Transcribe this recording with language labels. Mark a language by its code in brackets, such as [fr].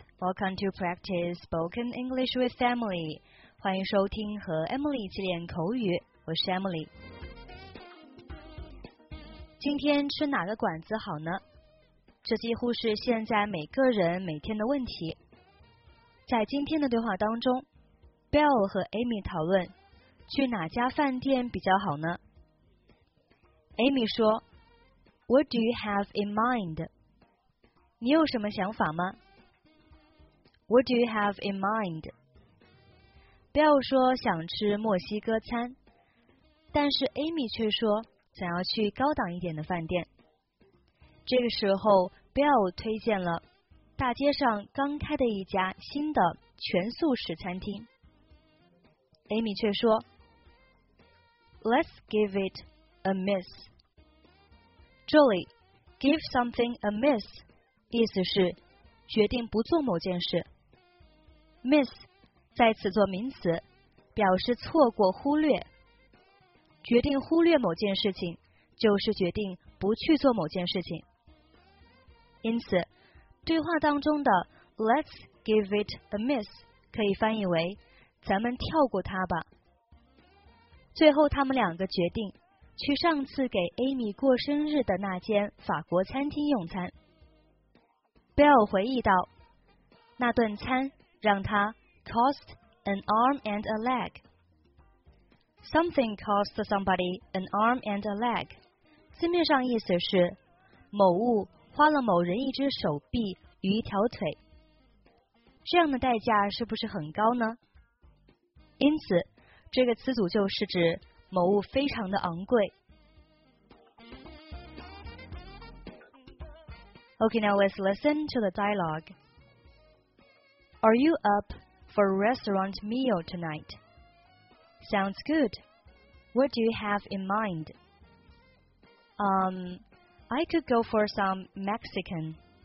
[en] Welcome to practice spoken English with Emily. [zh] 欢迎收听和 Emily 一起练口语。我是 Emily。今天吃哪个馆子好呢？这几乎是现在每个人每天的问题。在今天的对话当中 ，Bill 和 Amy 讨论去哪家饭店比较好呢 ？Amy 说 ： [en] “What do you have in mind？” [zh] 你有什么想法吗 ？ [en] What do you have in mind？ [zh] Bill 说想吃墨西哥餐，但是 Amy 却说想要去高档一点的饭店。这个时候 ，Bill 推荐了。大街上刚开的一家新的全素食餐厅 ，Amy 却说 ： [en] “Let's give it a miss。” [zh] 这里 [en] “give something a miss” [zh] 意思是决定不做某件事。 miss 在此做名词，表示错过、忽略。决定忽略某件事情，就是决定不去做某件事情。因此。对话当中的 [en] Let's give it a miss [zh] 可以翻译为咱们跳过它吧。最后他们两个决定去上次给 Amy 过生日的那间法国餐厅用餐。 Bill 回忆道那顿餐让他 [en] cost an arm and a leg. Something costs somebody an arm and a leg. [zh] 字面上意思是某物花了某人一只手臂与一条腿，这样的代价是不是很高呢？因此，这个词组就是指某物非常的昂贵。 [en] Okay, now let's listen to the dialogue. Are you up for a restaurant meal tonight? Sounds good. What do you have in mind? I could go for some Mexican.